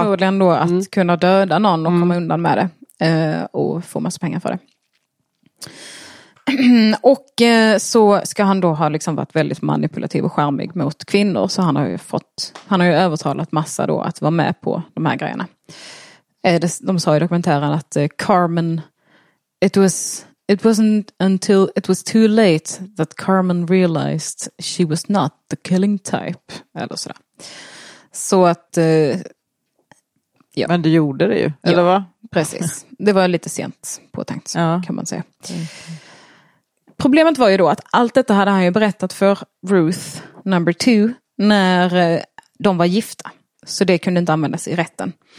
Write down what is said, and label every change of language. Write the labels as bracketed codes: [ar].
[sv] Förmodligen då att kunna döda någon och komma undan med det och få massa pengar för det. Och så ska han då ha liksom varit väldigt manipulativ och charmig mot kvinnor, så han har ju fått, han har ju övertalat massa då att vara med på de här grejerna. De sa i dokumentären att Carmen, [en] it wasn't until it was too late that Carmen realized she was not the killing type, [sv] eller sådär. Så att ja. Men du gjorde det ju, eller ja, va? Precis, det var lite sent påtänkt, ja. Kan man säga. Problemet var ju då att allt detta hade han ju berättat för Ruth, [en] number two, [sv] när de var gifta. Så det kunde inte användas i rätten.